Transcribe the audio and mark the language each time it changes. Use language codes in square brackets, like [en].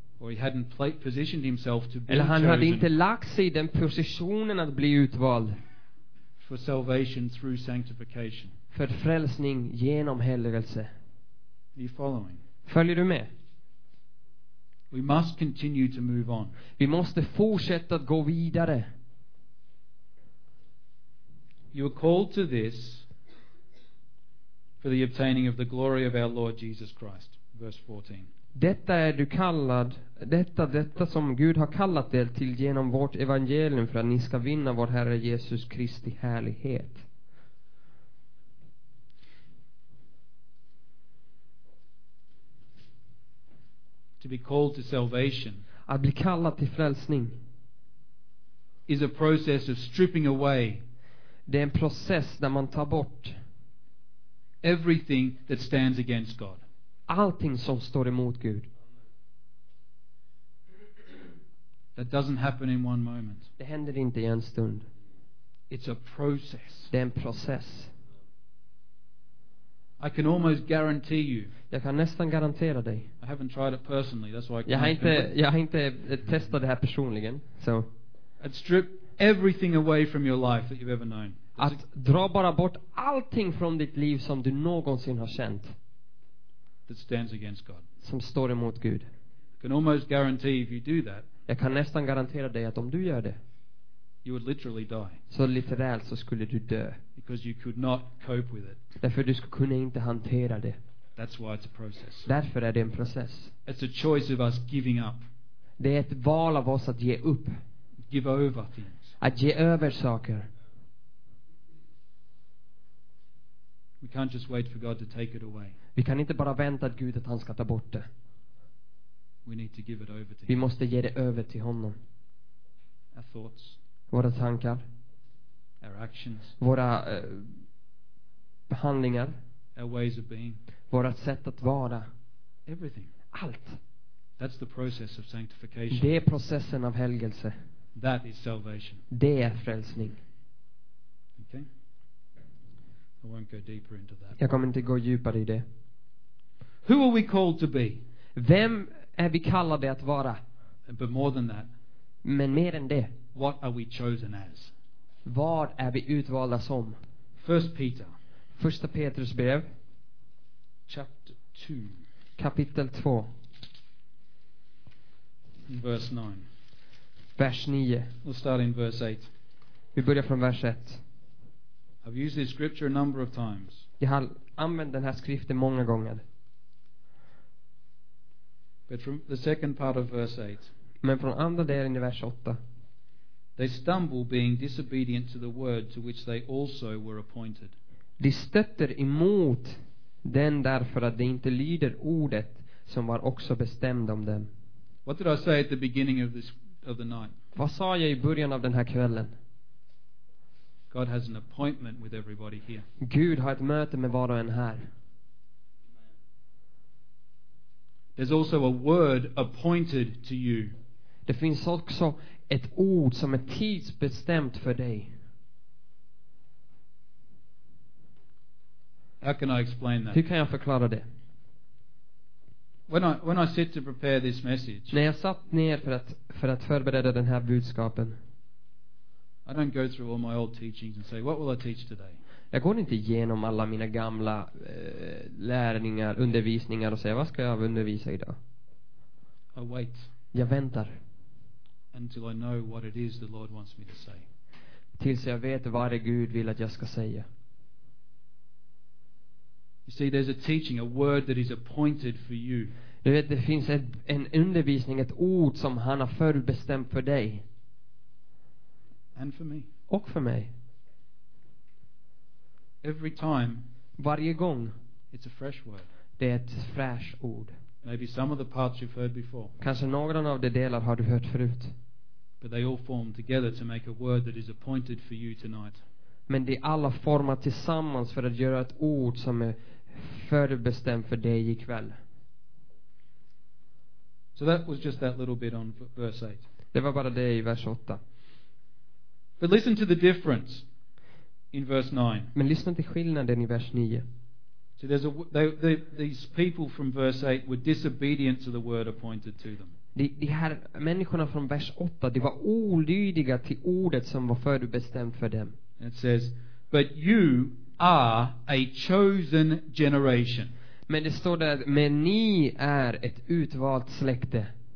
[en] Or he hadn't positioned himself to be [sv] eller han [en] chosen [sv] hade inte lagt sig i den positionen att bli utvald [en] for salvation through sanctification. [sv] För frälsning genom helgelse. [en] Are you following? [sv] Följer du med? [en] We must continue to move on. [sv] Vi måste fortsätta att gå vidare. [en] You are called to this for the obtaining of the glory of our Lord Jesus Christ. Verse 14. [sv] Detta är du kallad, detta som Gud har kallat er till genom vårt evangelium för att ni ska vinna vår Herre Jesus Kristi härlighet. [en] To be called to salvation. [sv] Att bli kallad till frälsning. [en] Is a process of stripping away. [sv] Det är en process där man tar bort [en] everything that stands against God. [sv] Allting som står emot Gud. [en] That doesn't happen in one moment. [sv] Det händer inte i en stund. [en] It's a process. [sv] Det är en process. [en] I can almost guarantee you. [sv] Jag kan nästan garantera dig. [en] I haven't tried it personally, that's why I can't. [sv] Jag har inte testat det här personligen, så. [en] And strip everything away from your life that you've ever known. [sv] Att dra bara bort allting från ditt liv som du någonsin har känt. [en] That stands against God. [sv] Som står emot Gud. [en] I can almost guarantee if you do that. [sv] Jag kan nästan garantera dig att om du gör det. [en] You would literally die. [sv] Så litterärt så skulle du dö. [en] Because you could not cope with it. [sv] Därför du skulle kunna inte hantera det. [en] That's why it's a process. [sv] Därför är det en process. [en] It's a choice of us giving up. [sv] Det är ett val av oss att ge upp. [en] Give over things. [sv] Att ge över saker. [en] We can't just wait for God to take it away. [sv] Vi kan inte bara vänta att Gud att han ska ta bort det. [en] We need to give it over to [sv] Vi måste ge det över till honom. [en] Our thoughts. [sv] Våra tankar. [en] Our actions. [sv] Våra handlingar. [en] Our ways of being. [sv] Vårat sätt att vara. [en] Everything. [sv] Allt. [en] That's the process of sanctification. [sv] Det är processen av helgelse. [en] That is salvation. [sv] Det är frälsning. [en] Okay. I won't go deeper into that. [sv] Jag kommer inte gå djupare i det. [en] Who are we called to be? [sv] Vem är vi kallade att vara? [en] But more than that. [sv] Men mer än det. [en] What are we chosen as? [sv] Vad är vi utvalda som? [en] First Peter. [sv] Första Petrus brev. [en] Chapter 2. [sv] Kapitel 2. [en] Verse 9. [sv] Vers 9. [en] We'll start in verse 8. [sv] Vi börjar från vers 1. [en] I've used this scripture a number of times. [sv] Jag har använt den här skriften många gånger. [en] But from the second part of verse 8. [sv] Men från andra delen i vers 8. [en] They stumble being disobedient to the word to which they also were appointed. [sv] De stöter emot den därför att de inte lyder ordet som var också bestämd om dem. [en] What did I say at the beginning of this of the night? [sv] Vad sa jag i början av den här kvällen? [en] God has an appointment with everybody here. [sv] Gud har ett möte med var och en här. [en] There's also a word appointed to you. [sv] Det finns också ett ord som är tidsbestämt för dig. [en] How can I explain that? [sv] Hur kan jag förklara det? [en] When I sit to prepare this message. [sv] När jag satt ner för att förbereda den här budskapen. [en] I don't go through all my old teachings and say, what will I teach today? [sv] Jag går inte igenom alla mina gamla lärningar, undervisningar och säger, vad ska jag undervisa idag? [en] I wait. [sv] Jag väntar. [en] Until I know what it is the Lord wants me to say. [sv] Tills jag vet vad det Gud vill att jag ska säga. [en] You see, there's a teaching, a word that is appointed for you. [sv] Du vet, det finns en undervisning, ett ord som han har förbestämt för dig. [en] And for me. [sv] Och för mig. [en] Every time. [sv] Varje gång. [en] It's a fresh word. [sv] Det är ett fräscht ord. [en] Maybe some of the parts you've heard before. [sv] Kanske några av de delar har du hört förut. [en] But they all form together to make a word that is appointed for you tonight. [sv] Men de alla formar tillsammans för att göra ett ord som är förbestämt för dig ikväll. [en] So that was just that little bit on verse 8. [sv] Det var bara det i vers 8. [en] But listen to the difference in verse 9. [sv] Men lyssna till skillnaden i vers 9. [en] So there's a these people from verse 8 were disobedient to the word appointed to them. [sv] De här människorna från vers 8, de var olydiga till ordet som var förbestämt för dem. [en] And it says, but you are a chosen generation. [sv] Men det står där, men ni är ett utvalt släkte.